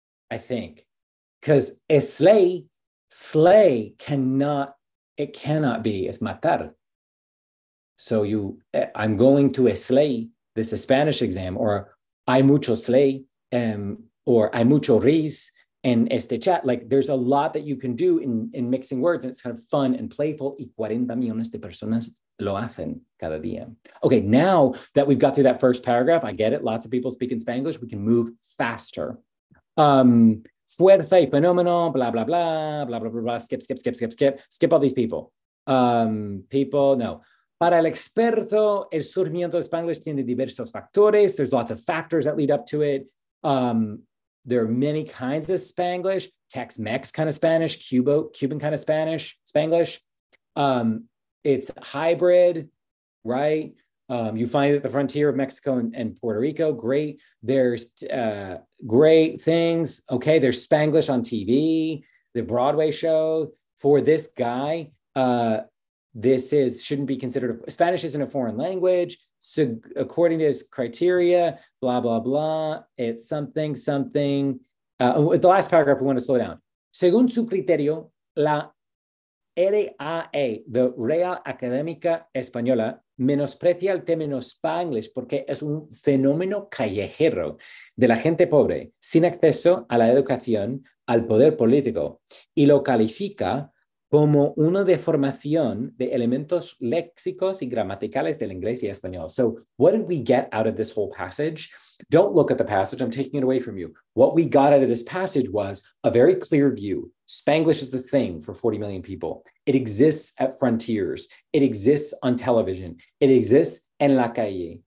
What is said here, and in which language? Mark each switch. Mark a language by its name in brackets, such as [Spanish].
[English] I think, because a slay cannot, it cannot be, it's matar. So you, I'm going to a slay, this is a Spanish exam, or I mucho slay, or I mucho ris [Spanish] en este chat. [English] Like there's a lot that you can do in mixing words, and it's kind of fun and playful. [Spanish] Y 40 millones de personas lo hacen cada día. [English] Okay, now that we've got through that first paragraph, I get it, lots of people speak in Spanglish, we can move faster. [Spanish] Fuerza y fenómeno, [English] blah, blah, blah, blah, blah, blah, blah, skip, skip, skip, skip, skip, skip all these people. People, no. [Spanish] Para el experto, el surgimiento de Spanglish tiene diversos factores. [English] There's lots of factors that lead up to it. There are many kinds of Spanglish, Tex-Mex kind of Spanish, Cuban kind of Spanish, Spanglish. It's hybrid, right? You find it at the frontier of Mexico and Puerto Rico. Great. There's great things. Okay, there's Spanglish on TV, the Broadway show. For this guy, this is shouldn't be considered. Spanish isn't a foreign language. So according to his criteria, blah, blah, blah. It's something, something. With the last paragraph, we want to slow down. [Spanish] Según su criterio, la RAE, the Real Académica Española, menosprecia el término Spanglish porque es un fenómeno callejero de la gente pobre, sin acceso a la educación, al poder político, y lo califica como una deformación de elementos léxicos y gramaticales del inglés y español. [English] So what did we get out of this whole passage? Don't look at the passage, I'm taking it away from you. What we got out of this passage was a very clear view. Spanglish is a thing for 40 million people. It exists at frontiers. It exists on television. It exists [Spanish] en la calle.